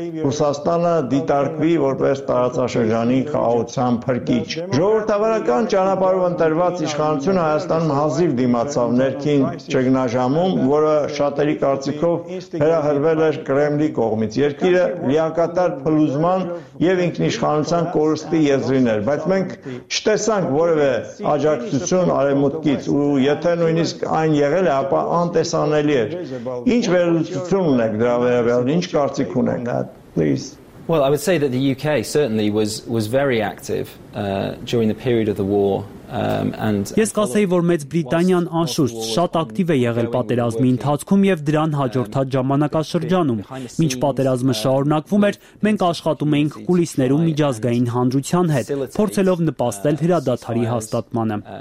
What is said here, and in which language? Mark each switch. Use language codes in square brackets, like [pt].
[hy] Ռուսաստանը դիտարկվի որպես տարածաշրջանի խաղաղության փրկիչ։ Ժողովրդավարական ճանապարհով ընտրված իշխանությունը Հայաստանում հազիվ դիմացավ ներքին ճգնաժամում, որը շատերի կարծիքով հրահրվել էր Կրեմլի կողմից։ Երկիրը լիակատար փլուզման և ինքնիշխանության կորստի եզրին էր, բայց մենք չտեսանք որևէ աջակցություն արևմուտքից, ու եթե նույնիսկ այն եղել է, ապա անտեսանելի էր։ Ինչ վերլուծություն ունեք դրա վերաբերյալ, ինչ կարծիք ունեք, please? [en] Well, I would say that the UK certainly was very active during the period of the war. [hy] Ես կասեի, որ Մեծ Բրիտանիան անշուշտ շատ ակտիվ է եղել պատերազմի ընթացքում եւ դրան հաջորդած ժամանակաշրջանում։ Մինչ պատերազմը շարունակվում էր, մենք աշխատում էինք կուլիսներում միջազգային հանրության հետ, փորձելով նպաստել հրադադարի հաստատմանը։